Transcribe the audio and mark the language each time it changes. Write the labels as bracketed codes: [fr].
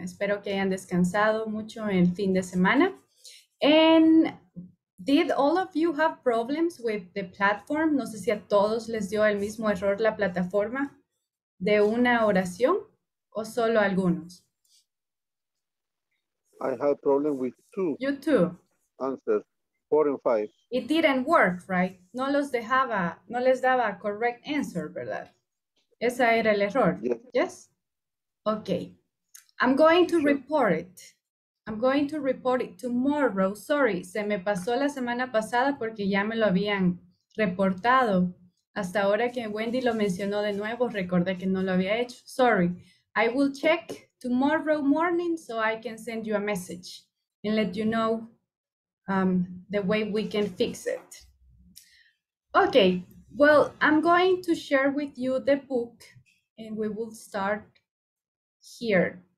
[es] Espero que hayan descansado mucho en fin de semana. [en] And did all of you have problems with the platform? [es] No sé si a todos les dio el mismo error la plataforma de una oración o solo algunos. [en] I had a problem with two. You too. Answers, 4 and 5. It didn't work, right? [es] No los dejaba, no les daba [en] correct answer, [es] ¿verdad? Esa era el error, [en] yes? Okay, I'm going to report it. I'm going to report it tomorrow. Sorry, [es] se me pasó la semana pasada porque ya me lo habían reportado. Hasta ahora que Wendy lo mencionó de nuevo, recordé que no lo había hecho. [en] Sorry, I will check tomorrow morning so I can send you a message and let you know the way we can fix it. Okay, well, I'm going to share with you the book and we will start here.